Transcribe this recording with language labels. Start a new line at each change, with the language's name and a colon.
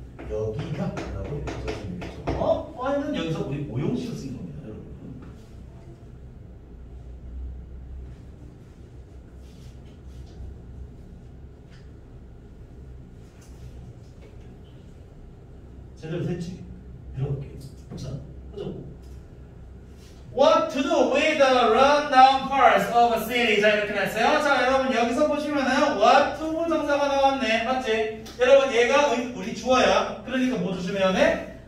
Korean: 여기가 뭐라고 여기서 쓰는 거죠 아니면 여기서 우리 오용시로 쓴 겁니다 여러분 제대로 됐지? 이렇게 자, 하죠
English: What to do with the rundown parts of a city?
Korean: 자, 이렇게 됐어요. 자, 여러분 여기서 보시면은
English: What to
Korean: 부정사가 나왔네, 맞지? 여러분 얘가 우리 주어야 그러니까 뭐 조심해야 돼?